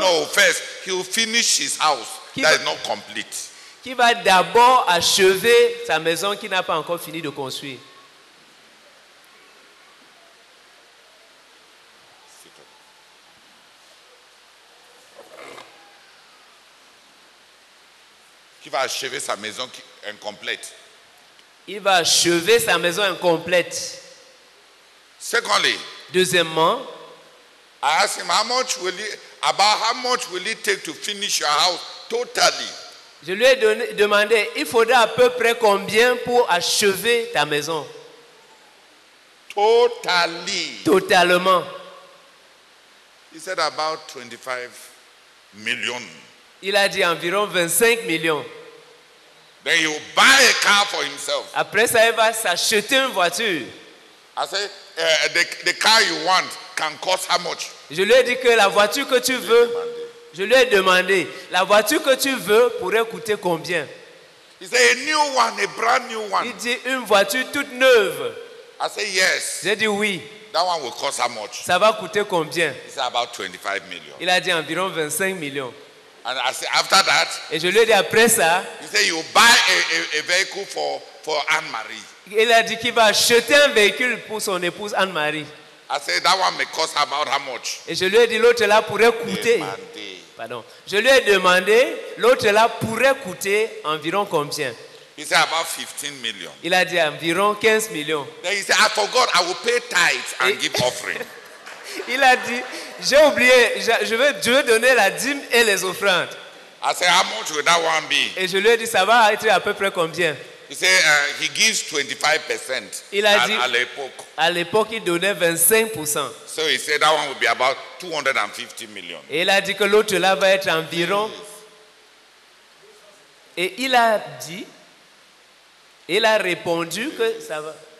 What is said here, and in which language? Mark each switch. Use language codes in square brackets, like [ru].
[en] No, first he will finish his house that is not complete. [fr] Qui va d'abord achever sa maison qui n'a pas encore fini de construire? Il va achever sa maison incomplète. Il va achever sa maison incomplète. [en] Secondly, [fr] deuxièmement, [en] I asked him about how much will it take to finish your house totally. [fr] Je lui ai demandé, il faudra à peu près combien pour achever ta maison? [en] Totally. [fr] Totalement. [en] He said about 25 million. [fr] Il a dit environ 25 millions. [en] Then he will buy a car for himself. [fr] Après ça, il va s'acheter une voiture. [en] I say, the car you want can cost how much? [fr] Je lui ai dit que la voiture que tu veux, je lui ai demandé, la voiture que tu veux pourrait coûter combien? [en] He said, a new one, a brand new one. [fr] Il dit une voiture toute neuve. [en] I say, yes. [fr] J'ai dit oui. [en] That one will cost how much? [fr] Ça va coûter combien? [en] He said about 25 million. [fr] Il a dit environ 25 millions. [en] And I said, after that, [fr] et je lui ai dit après ça, [en] he said, you buy a vehicle for Anne-Marie. [fr] Il a dit qu'il va acheter un véhicule pour son épouse Anne-Marie. [en] I said, that one may cost about how much? [fr] Et je lui ai dit, l'autre là pourrait coûter. Pardon. Je lui ai demandé, l'autre là pourrait coûter environ combien? [en] He said, about 15 million. [fr] Il a dit environ 15 millions. [en] Then he said, I forgot, I will pay tithes and give offering. [fr] Il a dit, j'ai oublié, je veux donner la dîme et les offrandes. [en] I said, how much will that one be? [fr] Et je lui ai dit, ça va être à peu près combien? [en] He said, he gives 25%. [fr] Il a dit, à l'époque, il donnait 25%. [en] So he said, that one will be about 250 million. [fr] Et il a dit que l'autre là va être environ. Yes. Et il a dit, il a répondu, yes, que ça va.